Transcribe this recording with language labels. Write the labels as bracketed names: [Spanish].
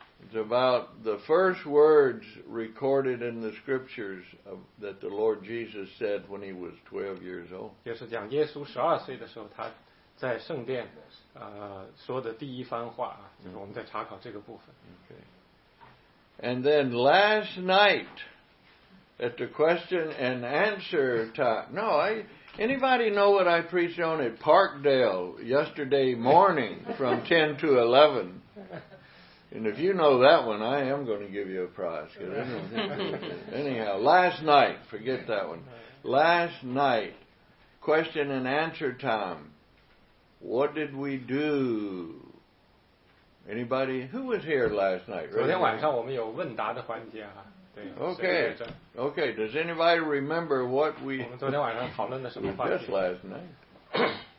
[English] It's about the first words recorded in the scriptures that the Lord Jesus said when he was 12 years old. [Chinese] 就是讲耶稣十二岁的时候，他在圣殿说的第一番话，就是我们在查考这个部分。 [English] Okay. And then last night at the question and answer time. No, I... Anybody know what I preached on at Parkdale yesterday morning from 10 to 11? And if you know that one, I am going to give you a prize. Anyhow, last night, forget that one. Last night, question and answer time. What did we do? Anybody? Who was here last night? [Chinese] 昨天晚上我们有问答的环节啊。 [English] Okay, does anybody remember what we just last night?